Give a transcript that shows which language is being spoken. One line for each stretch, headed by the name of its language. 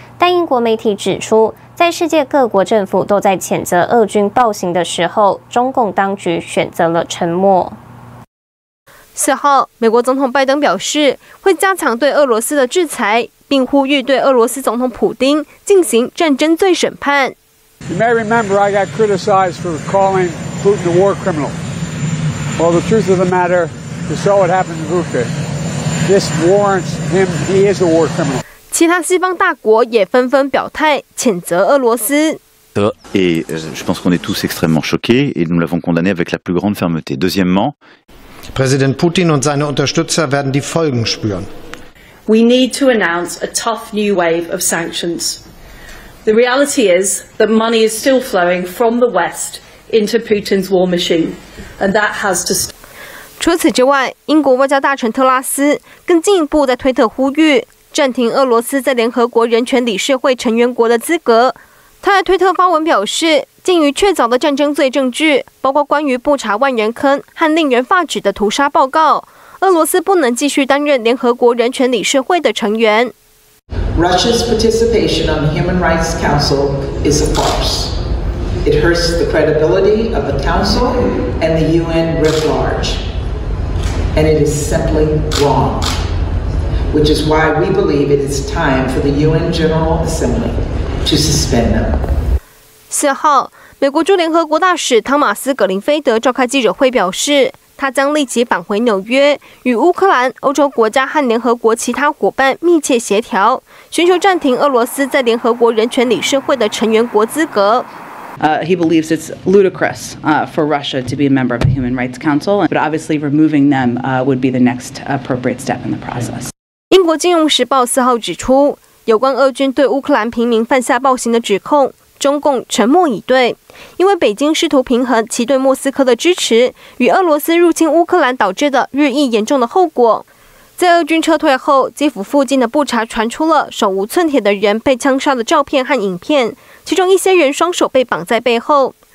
Chinese: 但英国媒体指出，在世界各国政府都在谴责俄军暴行的时候，中共当局选择了沉默。四号，美国总统拜登表示会加强对俄罗斯的制裁，并呼吁对俄罗斯总统普丁进行战争罪审判。
English: You may remember I got criticized for calling Putin a war criminal. Well, the truth of the matter, you saw what happened to Putin. This warrants him. He is a war criminal.
Chinese: 其他西方大国也纷纷表态谴责俄罗斯。
French: Et je pense qu'on est tous extrêmement choqués et nous l'avons condamné avec la plus grande fermeté. Deuxièmement,
German: Président Putin und seine Unterstützer werden die Folgen spüren.
English: We need to announce a tough new wave of sanctions. The reality is that money is still flowing from the West into Putin's war machine, and that has to stop.
Chinese: 除此之外，英国外交大臣特拉斯更进一步在推特呼吁暂停俄罗斯在联合国人权理事会成员国的资格。他在推特发文表示，鉴于确凿的战争罪证据，包括关于布查万人坑和令人发指的屠杀报告，俄罗斯不能继续担任联合国人权理事会的成员。
English: Russia's participation on the Human Rights Council is a farce. It hurts the credibility of the Council and the UN writ large. And it is simply wrong. Which is why we believe it is time for the UN General Assembly to suspend them.
Chinese: 四号，美国驻联合国大使汤马斯·葛林菲德召开记者会表示，他将立即返回纽约，与乌克兰、欧洲国家和联合国其他伙伴密切协调，寻求暂停俄罗斯在联合国人权理事会的成员国资格。
English: He believes it's ludicrous for Russia to be a member of the Human Rights Council, but obviously removing them would be the next appropriate step in the process.
Chinese: 英国金融时报四号指出，有关俄军对乌克兰平民犯下暴行的指控，中共沉默以对，因为北京试图平衡其对莫斯科的支持与俄罗斯入侵乌克兰导致的日益严重的后果。在俄军撤退后，基辅附近的布查传出了手无寸铁的人被枪杀的照片和影片，其中一些人双手被绑在背后。